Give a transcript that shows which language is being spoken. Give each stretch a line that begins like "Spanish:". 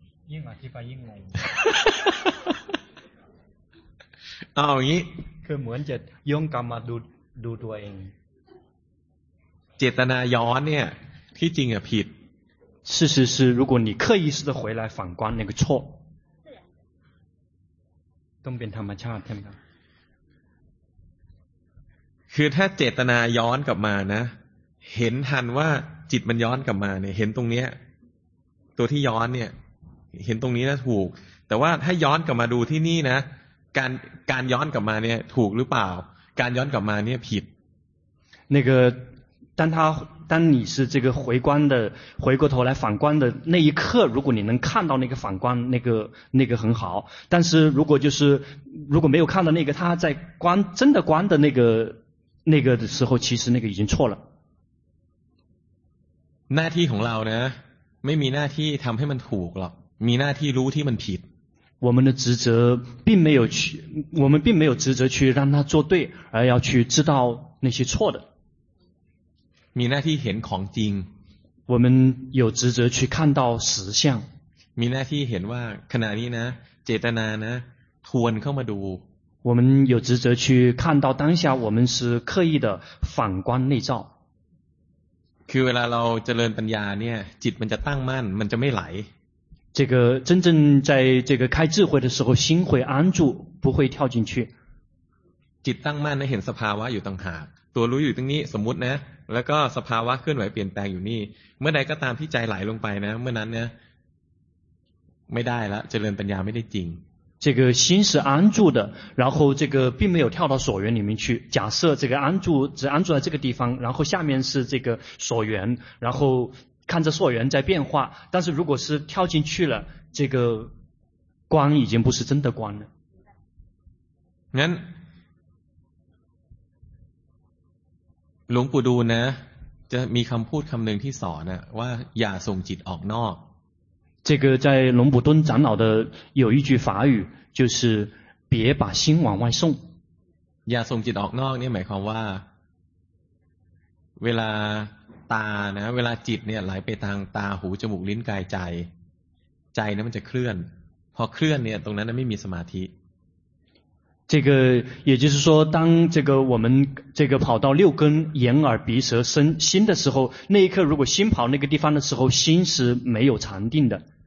Thai: ๆยิ่งอธิบายยิ่งงง เอาอย่างนี้คือเหมือนจะย้อนกลับมาดูตัวเอง เจตนาย้อนเนี่ยที่จริงอ่ะผิด
Chinese: 事实是如果你刻意式的回来反观那个错
Thai: ต้องเป็นธรรมชาติใช่ไหมครับ คือถ้าเจตนาย้อนกลับมานะเห็นทันว่าจิตมันย้อนกลับมาเนี่ยเห็นตรงเนี้ยตัวที่ย้อนเนี่ยเห็นตรงนี้นะถูกแต่ว่าถ้าย้อนกลับมาดูที่นี่นะการย้อนกลับมาเนี่ยถูกหรือเปล่าการย้อนกลับมาเนี่ยผิด
Chinese: 那个当你是这个回观的回过头来反观的那一刻如果你能看到那个反观那个很好但是如果就是如果没有看到那个他在观真的观的那个的时候其实那个已经错了
Thai: หน้าที่ของเรานะไม่มีหน้าที่ทําให้มันถูกหรอกมีหน้าที่รู้ที่มันผิด
Chinese: 我们并没有职责去让他做对而要去知道那些错的
Thai: มีหน้าที่เห็นของจริง
Chinese: 我们有职责去看到实相
Thai: มีหน้าที่เห็นว่าขณะนี้นะเจตนานะทวนเข้ามาดู
Chinese: 我们有职责去看到当下我们是刻意的反观内照
Thai: คือเวลาเราเจริญปัญญาเนี่ยจิตมันจะตั้งมั่นมันจะไม่ไหล
Chinese: 这个真正在这个开智慧的时候心会安住不会跳进去
Thai: จิตตั้งมั่นนะเห็นสภาวะอยู่ต่างหากตัวรู้อยู่ตรงนี้สมมตินะแล้วก็สภาวะเคลื่อนไหวเปลี่ยนแปลงอยู่นี่เมื่อใดก็ตามที่ใจไหลลงไปนะเมื่อนั้นเนี่ยไม่ได้แล้วเจริญปัญญาไม่ได้จริง
Chinese: 这个心是安住的然后这个并没有跳到所缘里面去假设这个安住只安住在这个地方然后下面是这个所缘然后看着所缘在变化但是如果是跳进去了这个光已经不是真的光了
Thai: งั้นหลวงปู่ดูลนะจะมีคำพูดคำหนึ่งที่สอนนะว่าอย่าส่งจิตออกนอก
Chinese: 这个在龙普敦长老的有一句法语就是别把心往外送
Thai: อย่าส่งจิตออกนอกเนี่ยหมายความว่าเวลาตานะเวลาจิตเนี่ยไหลไปทางตาหูจมูกลิ้นกายใจนี่มันจะเคลื่อนพอเคลื่อนเนี่ยตรงนั้นไม่มีสมาธิ
Chinese: 这个也就是说当这个我们这个跑到六根眼耳鼻舌身心的时候那一刻如果心跑那个地方的时候心是没有禅定的